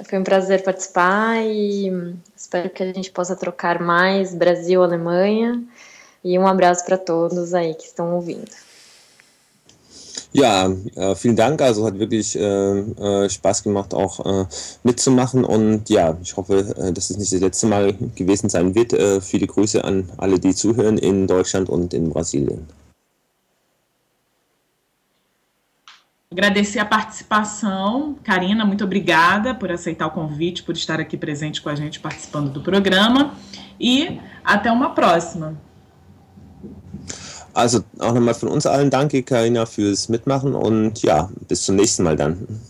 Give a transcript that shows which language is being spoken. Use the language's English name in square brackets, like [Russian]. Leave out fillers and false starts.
[Portuguese] Foi um prazer participar e espero que a gente possa trocar mais Brasil, Alemanha. E um abraço para todos aí que estão ouvindo. [German] Ja, vielen Dank. Also hat wirklich Spaß gemacht, auch mitzumachen. Und ja, ich hoffe, dass es nicht das letzte Mal gewesen sein wird. Viele Grüße an alle, die zuhören in Deutschland und in Brasilien. [Portuguese] Agradecer a participação. Karina, muito obrigada por aceitar o convite, por estar aqui presente com a gente, participando do programa. E até uma próxima. [German] Also, auch nochmal von uns allen danke, Karina, fürs Mitmachen. Und ja, bis zum nächsten Mal dann.